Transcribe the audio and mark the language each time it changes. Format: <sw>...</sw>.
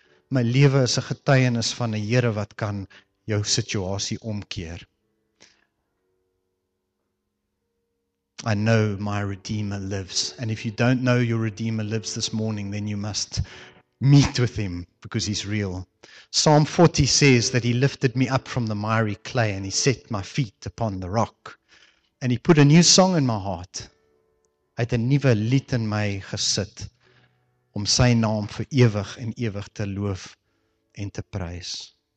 <af>My lewe is 'n getuienis van 'n Here wat kan jou situasie omkeer.</af> <en>I know my Redeemer lives. And if you don't know your Redeemer lives this morning, then you must meet with him because he's real. Psalm 40 says that he lifted me up from the miry clay and he set my feet upon the rock. And he put a new song in my heart.</en> <af>Hy het 'n nuwe lied in my gesit om sy naam vir ewig en ewig te loof en te prys.</af>